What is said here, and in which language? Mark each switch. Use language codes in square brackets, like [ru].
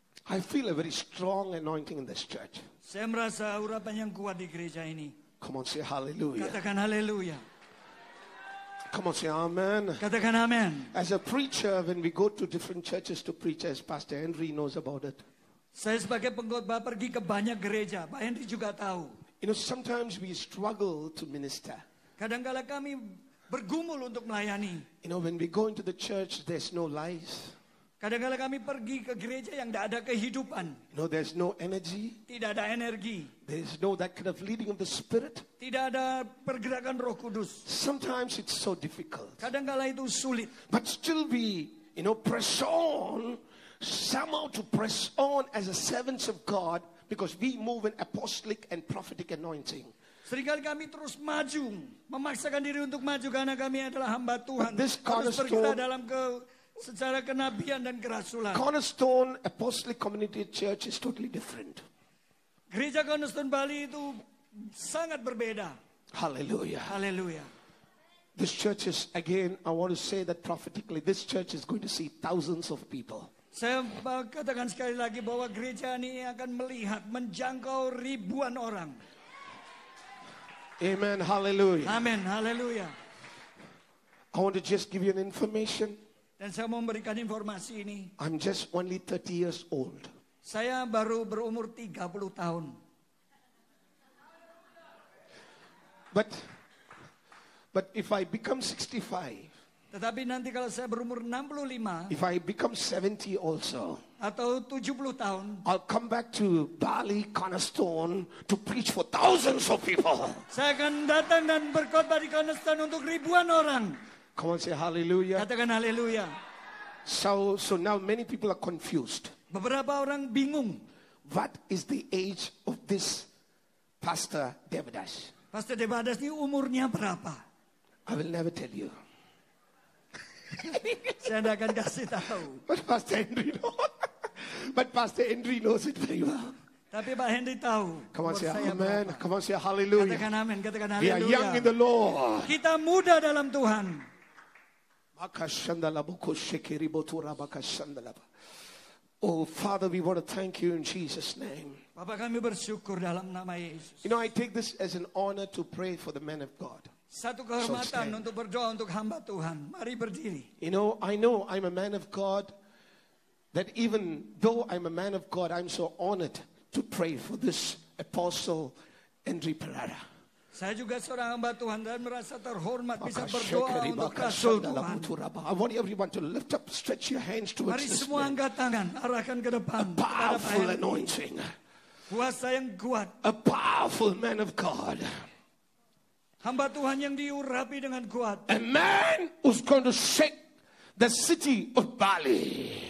[en] I feel a very strong anointing in this church. [id] Saya merasa urapan yang kuat di gereja ini. [en] Come on, say hallelujah. [id] Katakan hallelujah. [en] Come on, say amen. [id] Katakan amen. [en] As a preacher, when we go to different churches to preach, as Pastor Henry knows about it. [id] Saya sebagai pengkhotbah pergi ke banyak gereja. Pak Henry juga tahu. [en] You know, sometimes we struggle to minister. [id] Kadangkala kami bergumul untuk melayani. [en] You know, when we go into the church, there's no lies. [id] Kadangkala kami pergi ke gereja yang tidak ada kehidupan. [en] No, there's no energy. [id] Tidak ada energi. [en] There's no that kind of leading of the Spirit. [id] Tidak ada pergerakan Roh Kudus. [en] Sometimes it's so difficult. [id] Kadangkala itu sulit. [en] But still we, you know, press on, somehow to press on as a servants of God, because we move in apostolic and prophetic anointing. [id] Seringkali kami terus maju, memaksakan diri untuk maju karena kami adalah hamba Tuhan. [en] But this cornerstone [id] dalam ke secara kenabian dan kerasulan. [en] Cornerstone Apostolic Community Church is totally different. [id] Gereja Cornerstone Bali itu sangat berbeda. Hallelujah. Hallelujah. [en] This church is, again, I want to say that prophetically, this church is going to see thousands of people. [id] Saya katakan sekali lagi bahwa gereja ini akan melihat, menjangkau ribuan orang. Amen. Hallelujah. Amen. Hallelujah. [en] I want to just give you an information. [id] Dan saya mau memberikan informasi ini. [en] I'm just only 30 years old. [id] Saya baru berumur 30 tahun. [en] But if I become 65. [id] Tetapi nanti kalau saya berumur 65. [en] If I become 70 also. [id] Atau 70 tahun. [en] I'll come back to Bali Cornerstone to preach for thousands of people. [id] Saya akan datang dan berkhotbah di Cornerstone untuk ribuan orang. [en] Come on, say hallelujah. [id] Katakan hallelujah. [en] So now many people are confused. [id] Beberapa orang bingung. [en] What is the age of this Pastor Devadass? [id] Pastor Devadass ini umurnya berapa? [en] I will never tell you. [id] Saya tidak akan kasih tahu. [en] But Pastor Henry knows. But Pastor Henry knows it very well. [id] Tapi Pak Henry tahu. [en] Come on, say amen. [id] Berapa. [en] Come on, say hallelujah. [id] Katakan amen. Katakan hallelujah. [en] We are young in the Lord. [id] Kita muda dalam Tuhan. [en] Oh, Father, we want to thank you in Jesus' name. [id] Bapa kami bersyukur dalam nama Yesus. [en] You know, I take this as an honor to pray for the man of God. [id] Satu kehormatan untuk berdoa untuk hamba Tuhan. Mari berdiri. [en] You know, I know I'm a man of God, that even though I'm a man of God, I'm so honored to pray for this apostle, Henry Pereira. [id] Saya juga seorang hamba Tuhan dan merasa terhormat bisa berdoa untuk Rasul Tuhan. [en] I want everyone to lift up, stretch your hands towards [id] this. Mari semua angkat tangan, arahkan ke depan. [en] A powerful anointing. [id] Kuasa yang kuat. [en] A powerful man of God. [id] Hamba Tuhan yang diurapi dengan kuat. [en] A man who's going to shake the city of Bali.